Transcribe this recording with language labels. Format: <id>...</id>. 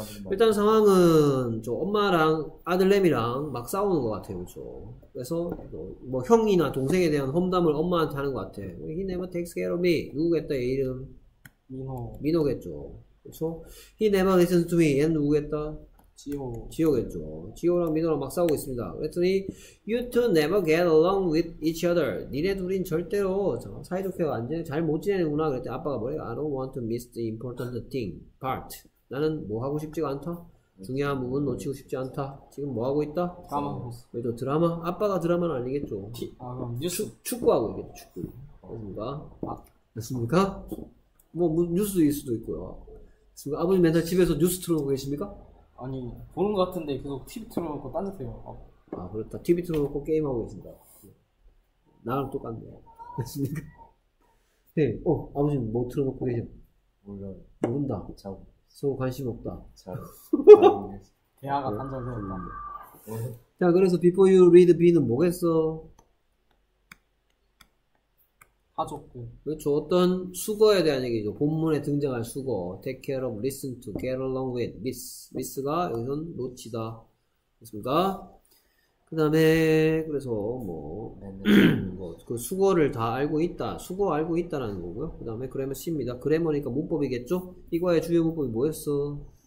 <ko>일단 상황은 저 엄마랑 아들내미랑 막 싸우는 것 같아요. 그쵸? 그래서 뭐 형이나 동생에 대한 험담을 엄마한테 하는 것 같아.</ko> <en>He never takes care of me.</en> <ko>누구겠다, 얘 이름? 민호. 민호겠죠. 그쵸?</ko> <en>He never listens to me.</en> <ko>얘 누구겠다? 지호겠죠. 지호랑 민호랑 막 싸우고 있습니다. 그랬더니</ko> <en>You two never get along with each other.</en> <ko>니네 둘은 절대로 사이좋게 잘 못 지내는구나. 그랬더니 아빠가 뭐래요?</ko> <en>I don't want to miss the important thing part.</en> <ko>나는 뭐 하고 싶지가 않다? 중요한 부분 놓치고 싶지 않다. 지금 뭐 하고 있다? 드라마 하고 있어. 그래도 드라마? 아빠가 드라마는 아니겠죠. 아 그럼 뉴스 축구하고 있겠죠. 축구. 됐습니까? 아, 됐습니까? 뭐 뉴스일 수도 있고요. 됐습니까? 아버님 맨날 집에서 뉴스 틀어놓고 계십니까? 아니 보는 것 같은데 계속 TV 틀어놓고 딴짓해요. 아. 아 그렇다. TV 틀어놓고 게임하고 있습니다. 나랑 똑같네요. 됐습니까? 네. 어 아버지 뭐 틀어놓고 계셔? 몰라요. 모른다. 자고. 서로 관심 없다. 자고. 대화가 단절되었나. 네. 자 그래서 Before You Read B는 뭐겠어? 가족구. 그렇죠. 어떤 수거에 대한 얘기죠. 본문에 등장할 수거.</ko> <en>Take care of, listen to, get along with, miss.</en> <ko>miss가 여기선 놓치다. 됐습니까? 그 다음에, 그래서 뭐, 뭐, 그 수거를 다 알고 있다. 수거 알고 있다라는 거고요. 그 다음에 그래머 C입니다. 그래머니까 문법이겠죠? 이거의 주요 문법이 뭐였어?</ko>